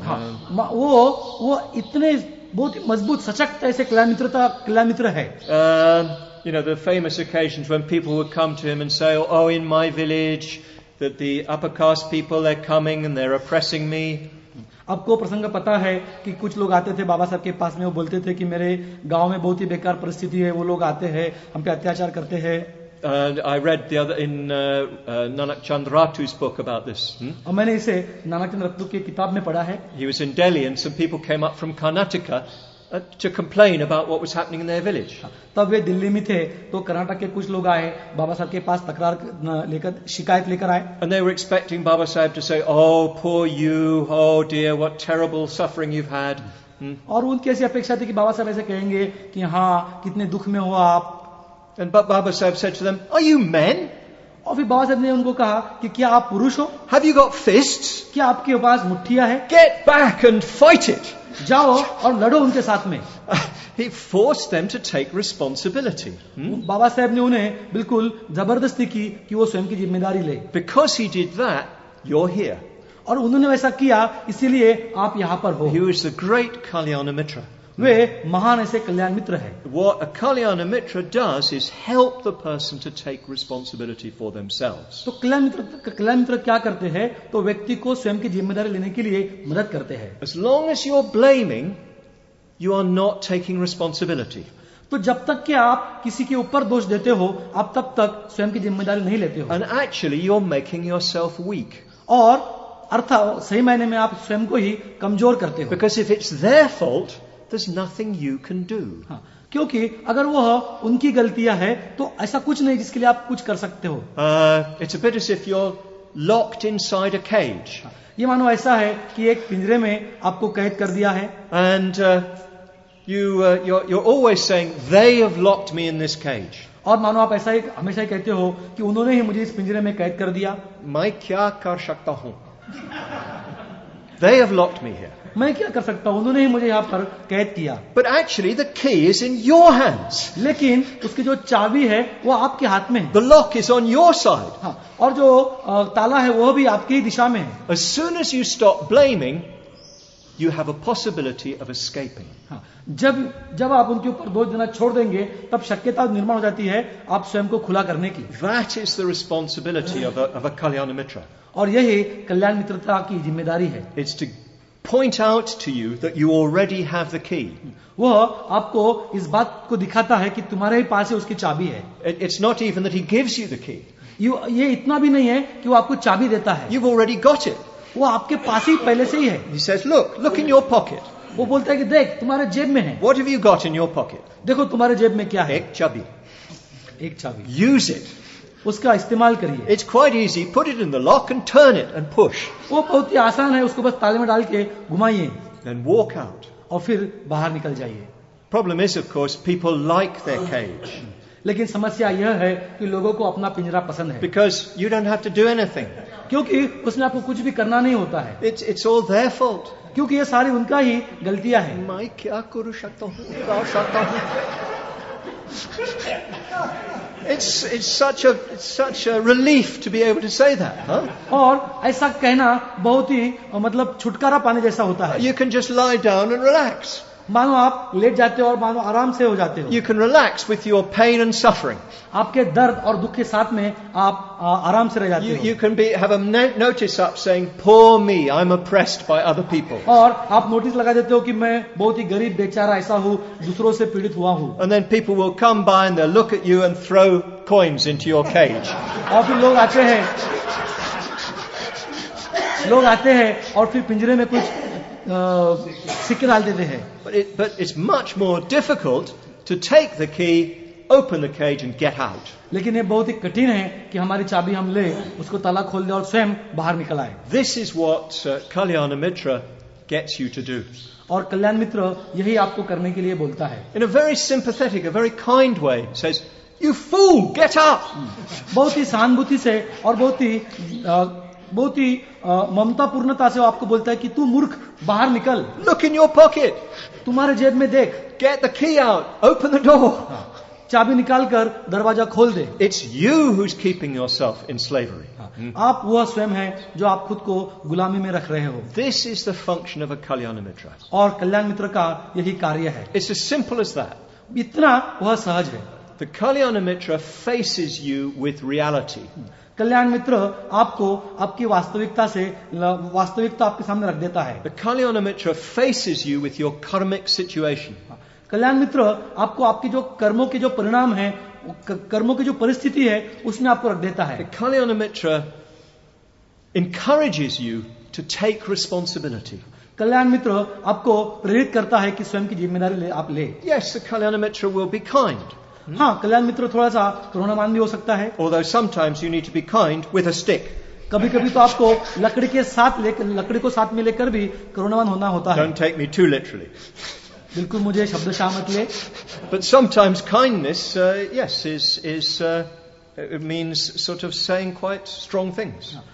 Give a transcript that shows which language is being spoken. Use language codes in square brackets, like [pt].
[hi] हाँ, वो इतने बहुत मजबूत सशक्त ऐसे कलामित्र है. [en] You know, the famous occasions when people would come to him and say, oh, in my village, that the upper caste people, they're coming and they're oppressing me. [hi] आपको प्रसंग पता है कि कुछ लोग आते थे बाबा साहब के पास में, वो बोलते थे कि मेरे गांव में बहुत ही बेकार परिस्थिति है, वो लोग आते हैं हम पे अत्याचार करते हैं. [en] I read the other in Nanak Chandratu's book about this. [hi] और मैंने इसे नानक चंद्रातू की किताब में पढ़ा है. [en] He was in Delhi and some people came up from Karnataka to complain about what was happening in their village. [hi] तब वे दिल्ली में थे तो कर्नाटक के कुछ लोग आए बाबा साहब के पास तकरार लेकर शिकायत लेकर आए. [en] And they were expecting Baba Saheb to say, oh poor you, oh dear, what terrible suffering you've had. [hi] और उनकी ऐसी अपेक्षा थी कि बाबा साहब ऐसे कहेंगे कि हाँ कितने दुख में हो आप. [en] And Baba Saheb said to them, are you men? [hi] और फिर बाबा साहब ने उनको कहा कि क्या आप पुरुष हो? [en] Have you got fists? [hi] क्या आपके पास मुठ्ठियां हैं? [en] Get back and fight it. [hi] जाओ और लड़ो उनके साथ में. [en] He forced them to take responsibility. [hi] बाबा साहब ने उन्हें बिल्कुल जबरदस्ती की कि वो स्वयं की जिम्मेदारी ले. [en] Because he did that, you're here. [hi] और उन्होंने वैसा किया इसीलिए आप यहाँ पर हो. [en] He was the great Kalyana Mitra. [hi] वे महान ऐसे कल्याण मित्र है. [en] What a Kalyana Mitra does is help the person to take responsibility for themselves. [hi] तो कल्याण मित्र क्या करते हैं? तो व्यक्ति को स्वयं की जिम्मेदारी लेने के लिए मदद करते हैं. [en] As long as you're blaming, you are not taking responsibility. [hi] तो जब तक कि आप किसी के ऊपर दोष देते हो आप तब तक स्वयं की जिम्मेदारी नहीं लेते हो. [en] And actually you're making yourself weak. [hi] और अर्थात सही मायने में आप स्वयं को ही कमजोर करते हो. [en] Because if it's their fault, there's nothing you can do. [hi] क्योंकि अगर वह उनकी गलतियां है तो ऐसा कुछ नहीं जिसके लिए आप कुछ कर सकते हो. [en] It's a bit as if you're locked inside a cage. [hi] ये मानो ऐसा है कि एक पिंजरे में आपको कैद कर दिया है. [en] And you're always saying, they have locked me in this cage. [hi] और मानो आप ऐसा ही हमेशा ही कहते हो कि उन्होंने ही मुझे इस पिंजरे में कैद कर दिया. मैं क्या कर सकता हूँ? [en] They have locked me here. [hi] मैं क्या कर सकता हूँ? उन्होंने ही मुझे यहाँ पर कैद किया. [en] But actually, the key is in your hands. [hi] लेकिन उसकी जो चाबी है वो आपके हाथ में है. [en] The lock is on your side. [hi] और जो ताला है वो भी आपकी ही दिशा में है. [en] As soon as you stop blaming, you have a possibility of escaping. [hi] जब आप उनके ऊपर दोष देना छोड़ देंगे तब शक्यता निर्माण हो जाती है आप स्वयं को खुला करने की. [en] That is the responsibility of a Kalyana Mitra. [hi] और यही कल्याण मित्रता की जिम्मेदारी है. [en] It's to point out to you that you already have the key. [hi] वो आपको इस बात को दिखाता है कि तुम्हारे ही पास है उसकी चाबी है. [en] It's not even that he gives you the key. [hi] ये इतना भी नहीं है कि वो आपको चाबी देता है. [en] You've already got it. [hi] वो आपके पास ही पहले से ही है. [en] He says, look in your pocket. [hi] वो बोलता है कि देख तुम्हारे जेब में है. [en] What have you got in your pocket? [hi] देखो तुम्हारे जेब में क्या है. एक चाबी. [en] Use it. [hi] उसका इस्तेमाल करिए. [en] It's quite easy. Put it in the lock and turn it and push. [hi] वो बहुत ही आसान है. उसको बस ताले में डाल के घुमाइए. [en] Then walk out. [hi] और फिर बाहर निकल जाइए. [en] Problem is, of course, people like their cage. [hi] लेकिन समस्या यह है कि लोगों को अपना पिंजरा पसंद है. [en] Because you don't have to do anything. [hi] क्योंकि उसने आपको कुछ भी करना नहीं होता है. [en] It's all their fault. [hi] क्योंकि ये सारी उनका ही गलतियां हैं. मैं क्या करूं सकता हूं. [en] It's such a relief to be able to say that. [hi] और ऐसा कहना बहुत ही मतलब छुटकारा पाने जैसा होता है. [en] You can just lie down and relax. [hi] मानो आप लेट जाते हो और मानो आराम से हो जाते हो. [en] You can relax with your pain and suffering. [hi] आपके दर्द और दुख के साथ में आप आराम से रह जाते हो. [en] You can have a notice up saying, poor me, I'm oppressed by other people. [hi] और आप नोटिस लगा देते हो कि मैं बहुत ही गरीब बेचारा ऐसा हूँ, दूसरों से पीड़ित हुआ हूँ. [en] And then people will come by and they'll look at you and throw coins into your cage. [hi] और फिर लोग आते हैं और फिर पिंजरे में कुछ सिक्के डाल देते हैं. [en] But it's much more difficult to take the key, open the cage and get out. [hi] लेकिन ये बहुत ही कठिन है कि हमारी चाबी हम ले, उसको ताला खोल दे और स्वयं बाहर निकल आए. [en] This is what Kalyana Mitra gets you to do. [hi] और कल्याण मित्र यही आपको करने के लिए बोलता है. [en] In a very sympathetic, a very kind way, says, "You fool, get up." [hi] बहुत ही सहानुभूति से और बहुत ही ममतापूर्णता से वो आपको बोलता है कि तू मूर्ख बाहर निकल. [en] Look in your pocket. [hi] तुम्हारे जेब में देख. [en] Get the key out. Open the door. [hi] चाबी निकाल कर दरवाजा खोल दे. [en] It's you who's keeping yourself in slavery. [hi] आप वह स्वयं हैं जो आप खुद को गुलामी में रख रहे हो. [en] This is the function of a kalyan mitra. [hi] और कल्याण मित्र का यही कार्य है. [en] It's as simple as that. [hi] इतना वह सहज है. [en] The kalyan mitra faces you with reality. [hi] कल्याण मित्र आपको आपकी वास्तविकता से वास्तविकता आपके सामने रख देता है. [en] The Kalyana Mitra faces you with your karmic situation. [hi] कल्याण मित्र आपको आपकी जो कर्मों के जो परिणाम है, कर्मों की जो परिस्थिति है, उसमें आपको रख देता है. [en] The Kalyana Mitra encourages you to take responsibility. [hi] कल्याण मित्र आपको प्रेरित करता है कि स्वयं की जिम्मेदारी आप ले. [en] Yes, the Kalyana Mitra will be kind. [hi] हाँ, कल्याण मित्र थोड़ा सा करुणामान भी हो सकता है. [en] Although sometimes you need to be kind with a stick. [hi] कभी कभी तो आपको लकड़ी को साथ में लेकर भी करुणामान होना होता है. [en] Don't take me too literally. [hi] बिल्कुल मुझे शब्दशः मत ले. [en] But sometimes kindness, it means sort of saying quite strong things.